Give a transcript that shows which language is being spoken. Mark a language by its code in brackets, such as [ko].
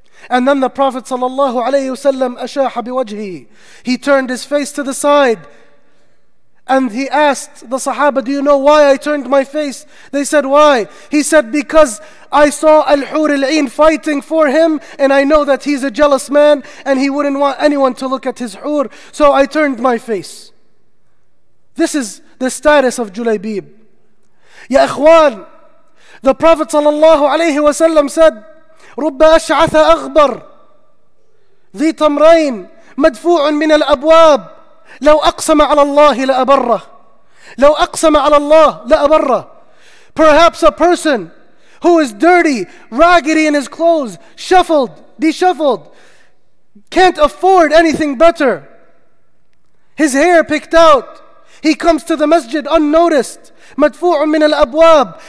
[en] And then the Prophet sallallahu alayhi wa sallam [ar] ashaha biwajhi, [en] he turned his face to the side, and he asked the sahaba, do you know why I turned my face? They said, why? He said, because I saw Al-Hur Al-Ain fighting for him, and I know that he's a jealous man, and he wouldn't want anyone to look at his hur, so I turned my face. This is the status of Julaybib. [ar] Ya ikhwan, [en] the Prophet sallallahu alayhi wa sallam said, [ar] رُبَّ أَشْعَثَ أَغْبَرْ ذِي تَمْرَيْن مَدْفُوعٌ مِنَ الْأَبْوَابِ لَوْ أَقْسَمَ عَلَى اللَّهِ لَأَبَرَّهِ لَوْ أَقْسَمَ عَلَى اللَّهِ لَأَبَرَّهِ. [en] Perhaps a person who is dirty, raggedy in his clothes, shuffled, disheveled, can't afford anything better. His hair picked out. He comes to the masjid unnoticed. [ar] مَدْفُوعٌ مِنَ الْأَبْوَابِ.